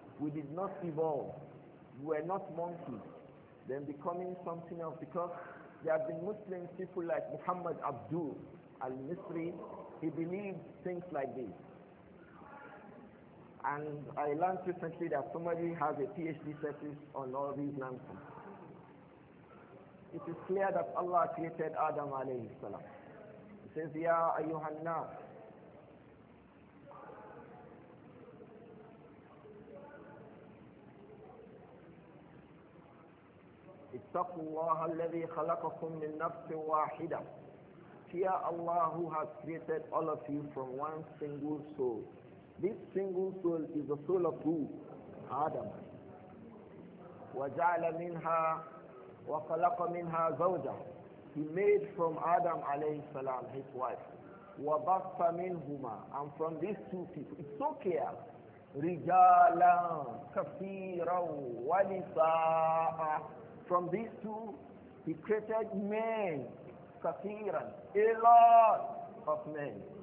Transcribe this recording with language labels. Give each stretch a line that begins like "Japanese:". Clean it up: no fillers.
English: We did not evolve. We were not monkeys, then becoming something else, because there have been Muslim people like Muhammad Abdul al-Misri, he believed things like this. And I learned recently that somebody has a PhD thesis on all these nonsense. It is clear that Allah created Adam alayhi salam.
Arabic: He says, Ya ayyuhanna, اتقوا الله الذي خلقكم من نفس واحدة.
English: Fear Allah who has created all of you from one single soul. This single soul is the soul of who? Adam.
Arabic: وجعل منها وخلق منها زوجة.
English: He made from Adam عليه السلام his wife.
Arabic: وبث منهما.
English: And from these two people. It's so clear. رجالا كثيرا ونساء. From these two, he created men, kathiran, a lot of men.